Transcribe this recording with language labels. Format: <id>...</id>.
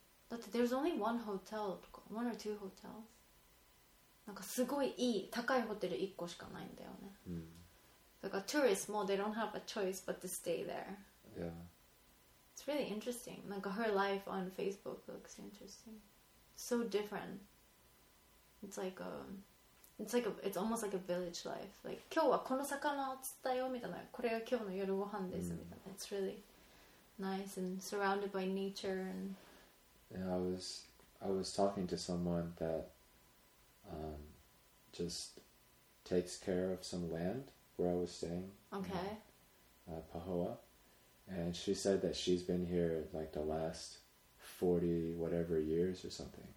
<en>But there's only one hotel, one or two hotels.</en> <ja>なんかすごいいい高いホテル1個しかないんだよね。</ja> <en>Like tourists, well, they don't have a choice but to stay there. Yeah. It's really interesting. Like her life on Facebook looks interesting. So different. It's almost like a village life. Like,</en> <ja>今日はこの魚を釣ったよみたいな、これが今日の夜ご飯ですみたいな。</ja> <en>It's really nice and surrounded by nature. And yeah, I was talking to someone that just takes care of some land where I was staying. Okay. Pahoa. And she said that she's been here like the last 40 whatever years or something.</en>